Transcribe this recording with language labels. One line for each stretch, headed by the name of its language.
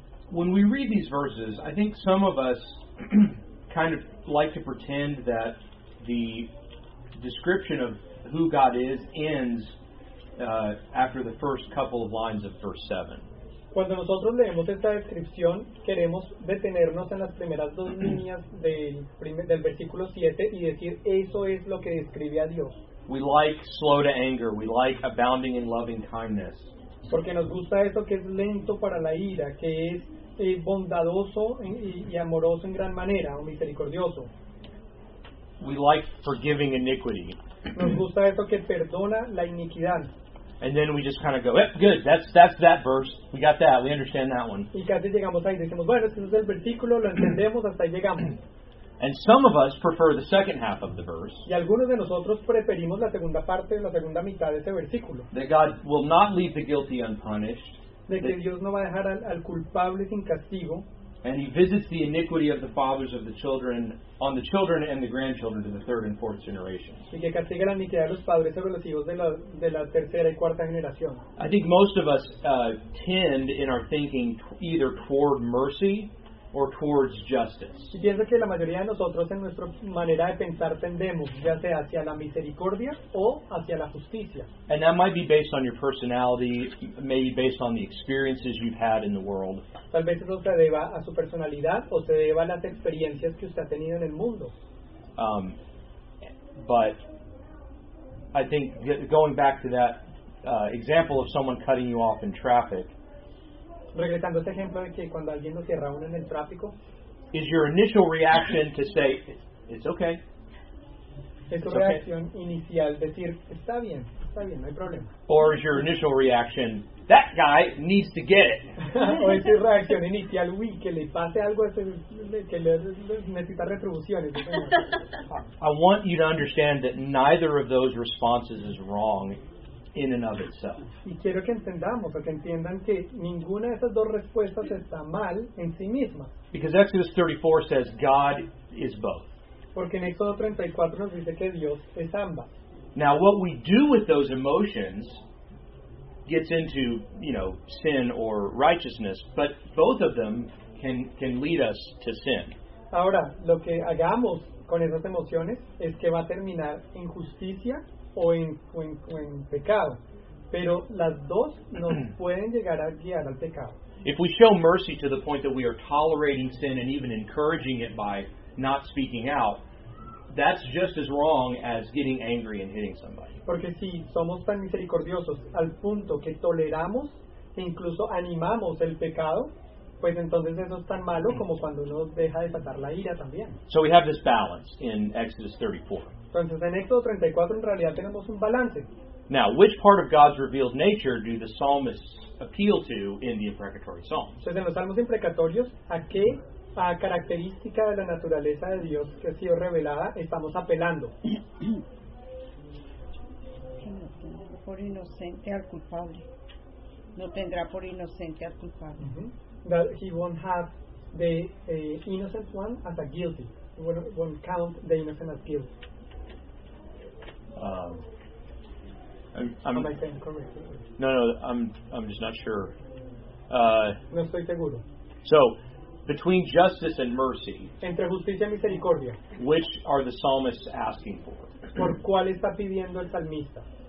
English: When we read these verses, I think some of us kind of like to pretend that the description of who God is ends after the first couple of lines of verse 7.
Spanish: Cuando nosotros leemos esta descripción, queremos detenernos en las primeras dos líneas del versículo 7 y decir, eso es lo que describe a Dios.
English: We like slow to anger. We like abounding in loving kindness.
Spanish: Porque nos gusta eso que es lento para la ira, que es bondadoso y amoroso en gran manera, o misericordioso.
English: We like forgiving iniquity.
Spanish: Nos gusta eso que perdona la iniquidad.
English: And then we just kind of go, yep, good, that's that verse. We got that, we understand that one.
Spanish: Y casi llegamos ahí, decimos, bueno, ese es el versículo, lo entendemos, hasta ahí llegamos.
English: And some of us prefer the second half of the verse.
Spanish: Y algunos de nosotros preferimos la segunda parte, la segunda mitad de ese versículo.
English: That God will not leave the guilty unpunished.
Spanish: De que Dios no va a dejar al culpable sin castigo.
English: And He visits the iniquity of the fathers of the children on the children and the grandchildren to the third and fourth generations.
Spanish: Y que castiga la iniquidad de los padres sobre los hijos de la tercera y cuarta generación.
English: I think most of us tend in our thinking either toward mercy or towards justice.
Spanish: Y pienso que la mayoría de nosotros en nuestra manera de pensar tendemos ya sea hacia la misericordia o hacia la justicia.
English: And that might be based on your personality, maybe based on the experiences you've had in the world.
Spanish: Tal vez eso se deba a su personalidad o se deba a las experiencias que usted ha tenido en el mundo.
English: But I think going back to that example of someone cutting you off in traffic,
Spanish: regresando a este ejemplo de que cuando alguien lo cierra uno en el tráfico,
English: is your initial reaction to say it's okay?
Spanish: Es tu reacción inicial decir está bien, no hay problema.
English: Or is your initial reaction that guy needs to get it?
Spanish: O es tu reacción inicial, uy, que le pase algo a ese que le necesita retribuciones.
English: I want you to understand that neither of those responses is wrong in and of itself.
Spanish: Y quiero que entendamos, o que entiendan que ninguna de esas dos respuestas está mal en sí misma.
English: Because Exodus 34 says God is both.
Spanish: Porque en Éxodo 34 nos dice que Dios es ambas.
English: Now what we do with those emotions gets into, you know, sin or righteousness, but both of them can lead us to sin.
Spanish: Ahora, lo que hagamos con esas emociones es que va a terminar en justicia o en pecado. Pero las dos nos pueden llegar a guiar al pecado.
English: If we show mercy to the point that we are tolerating sin and even encouraging it by not speaking out, that's just as wrong as getting angry and hitting somebody.
Spanish: Porque si somos tan misericordiosos al punto que toleramos e incluso animamos el pecado, pues entonces eso es tan malo como cuando uno deja de desatar la ira también.
English: So we have this balance in Exodus 34.
Spanish: Entonces en Éxodo 34 en realidad tenemos un balance.
English: Now, which part of God's revealed nature do the psalmists appeal to in the imprecatory psalms?
Spanish: Entonces en los salmos imprecatorios, ¿a qué característica de la naturaleza de Dios que ha sido revelada estamos apelando? Por inocente al culpable. No tendrá por inocente al culpable.
English: That he won't have the innocent one as a guilty. He won't count the innocent as guilty. Am I saying correctly? No, I'm just not sure.
Spanish: No estoy seguro. So, between justice and mercy, entre justicia y misericordia,
English: which are the psalmists asking for?
Spanish: ¿Por cuál está pidiendo el salmista?